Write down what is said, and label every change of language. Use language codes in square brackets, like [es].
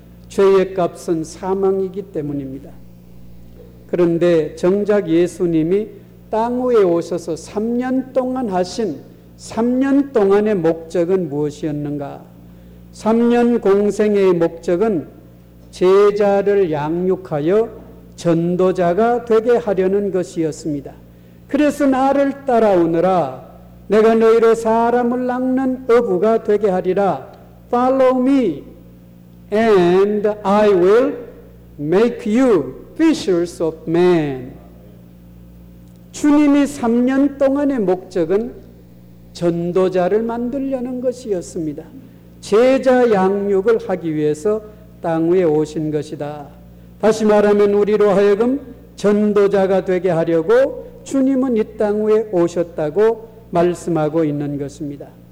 [ko] 죄의 값은 사망이기 때문입니다. 그런데 정작 예수님이 땅 위에 오셔서 3년 동안 하신 3년 동안의 목적은 무엇이었는가? 3년 공생의 목적은 제자를 양육하여 전도자가 되게 하려는 것이었습니다. 그래서 나를 따라오느라 내가 너희로 사람을 낚는 어부가 되게 하리라. [en] Follow me and I will make you fishers of men. [ko] 주님이 3년 동안의 목적은 전도자를 만들려는 것이었습니다. 제자 양육을 하기 위해서 땅 위에 오신 것이다. 다시 말하면 우리로 하여금 전도자가 되게 하려고 주님은 이 땅 위에 오셨다고 말씀하고 있는 것입니다.